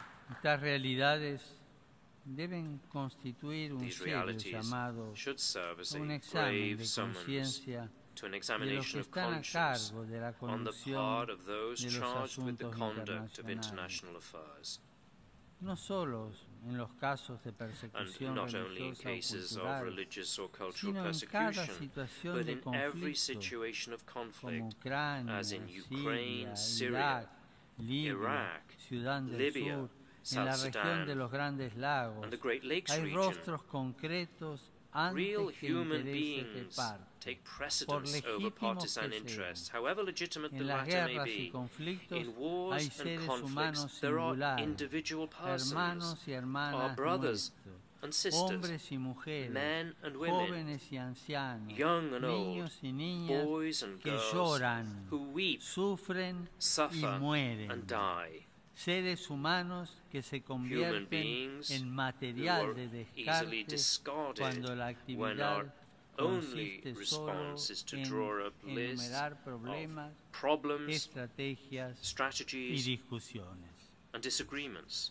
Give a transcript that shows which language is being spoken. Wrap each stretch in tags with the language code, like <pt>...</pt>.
<es>Estas realidades deben constituir un serio llamado, un examen de conciencia</es> <en>to an examination of conscience on the part of those charged with the conduct of international affairs.</en> <es>No solo en los casos de persecución religiosa o cultural, sino en cada situación de conflicto, como Ucrania, Siria, Irak, Libia, Sudán del Sur, en la región de los Grandes Lagos, hay rostros concretos</es> <en>real human beings take precedence over partisan interests, however legitimate the matter may be. In wars and conflicts, there are individual persons, our brothers and sisters, men and women, young and old, boys and girls, who weep, suffer, and die.</en> <es>Seres humanos que se convierten en material de descarte cuando la actividad consiste solo en enumerar problemas, estrategias y discusiones.</es>